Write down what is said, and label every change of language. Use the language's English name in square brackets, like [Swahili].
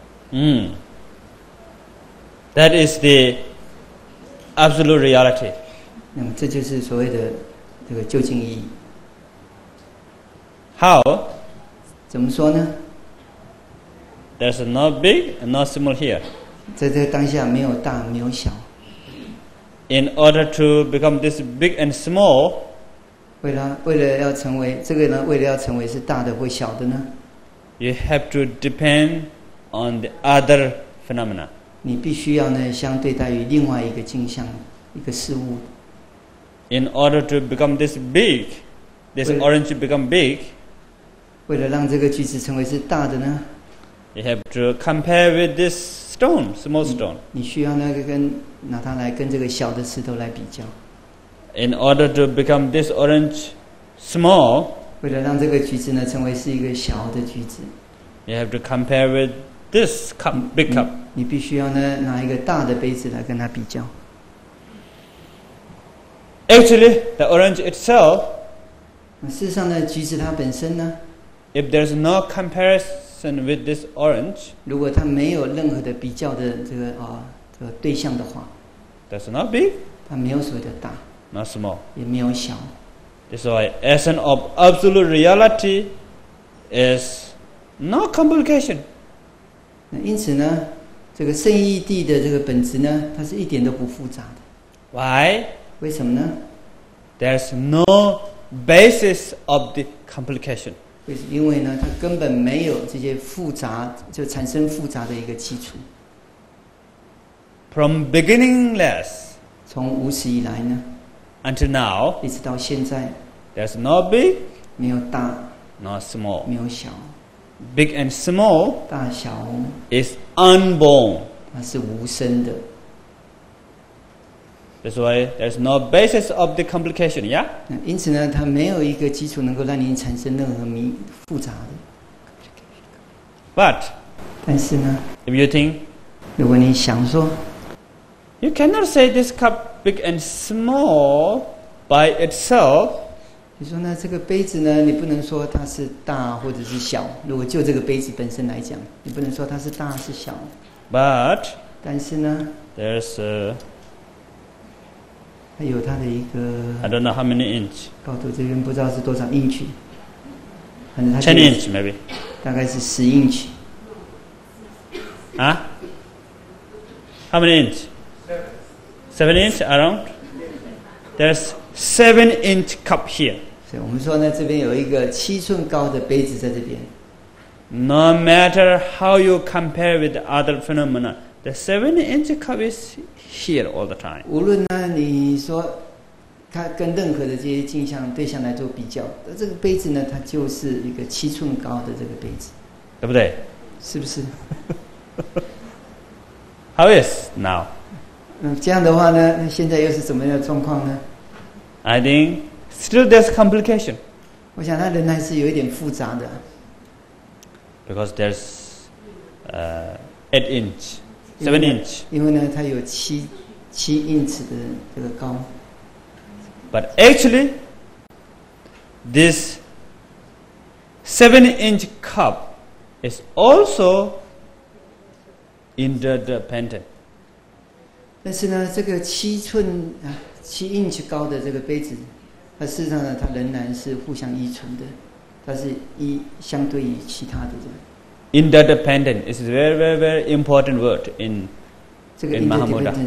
[English] 嗯 ，That is the absolute reality。 [Chinese] 那么这就是所谓的这个究竟意义。 [English] How？ [Chinese] 怎么说呢 [English] ？There's not big and not small here。 [Chinese] 在这个当下，没有大，没有小。 [English] In order to become this big and small。 [Chinese] 为了要成为这个呢，为了要成为是大的或小的呢 [English] ？You have to depend on the other phenomena. [Chinese] 你必须要呢，相对待于另外一个镜像，一个事物。 [English] In order to become this big, this orange become big. [Chinese] 为了让这个橘子成为是大的呢 [English] ？You have to compare with this stone, small stone. [Chinese] 你需要呢，跟拿它来跟这个小的石头来比较。 [English] In order to become this orange small, [Chinese] 为了让这个橘子呢成为是一个小的橘子 [English] ，you have to compare with this cup, big cup. [Chinese] 你必须要呢拿一个大的杯子来跟它比较。 [English] Actually, the orange itself. [Chinese] 事实上呢，橘子它本身呢 [English] ，if there's no comparison with this orange, [Chinese] 如果它没有任何的比较的这个啊、这个对象的话 [English] ，that's not big. [Chinese] 它没有所谓的大。 [English] Not small. [Chinese] 也没有小。 [English] That's why essence of absolute reality is no complication. [Chinese] 那因此呢，这个圣意地的这个本质呢，它是一点都不复杂的。 [English] Why? [Chinese] 为什么呢 [English] ？There's no basis of the complication. [Chinese] 因为呢，它根本没有这些复杂，就产生复杂的一个基础。 [English] From beginningless. [Chinese] 从无始以来呢？ [English] Until now, [Chinese] 一直到现在 [English] ，there's not big, [Chinese] 没有大 [English] ，not small, [Chinese] 没有小 [English] ，big and small, [Chinese] 大小 [English] is unborn, [Chinese] 它是无声的。 [English] That's why there's no basis of the complication, yeah. [Chinese] 那因此呢，它没有一个基础能够让你产生任何复杂的。 [English] But, [Chinese] 但是呢 [English] ，if you think, [Chinese] 如果你想说 [English] ，you cannot say this cup. Big and small by itself. [Chinese] 你说呢？这个杯子呢？你不能说它是大或者是小。如果就这个杯子本身来讲，你不能说它是大是小。 [English] But [Chinese] 但是呢 [English] ？There's a [Chinese] 它有它的一个。 [English] I don't know how many inch. [Chinese] 高度这边不知道是多少英尺。 [English] Ten inch maybe. [Chinese] 大概是十英尺。 [English] 啊 ？How many inch? Seven inch around. There's 7-inch cup here. [Chinese] 所以我们说呢，这边有一个七寸高的杯子在这边。 [English] No matter how you compare with other phenomena, the 7-inch cup is here all the time. [Chinese] 无论呢，你说它跟任何的这些镜像对象来做比较，那这个杯子呢，它就是一个七寸高的这个杯子，对不对？是不是 [English] ？How is now? [Chinese] 这样的话呢，那现在又是怎么样的状况呢 [English] ？I think still there's complication. [Chinese] 我想它仍然是有一点复杂的。 [English] Because there's eight inch, seven inch. [Chinese] 因为呢，它有七英尺的这个高。 [English] But actually, this 7-inch cup is also interdependent. [Chinese] 但是呢，这个七寸啊，七英尺高的这个杯子，它事实上呢，它仍然是互相依存的。它是一相对于其他的这样。 [English] Interdependent is very, very, very important word in Mahamudra.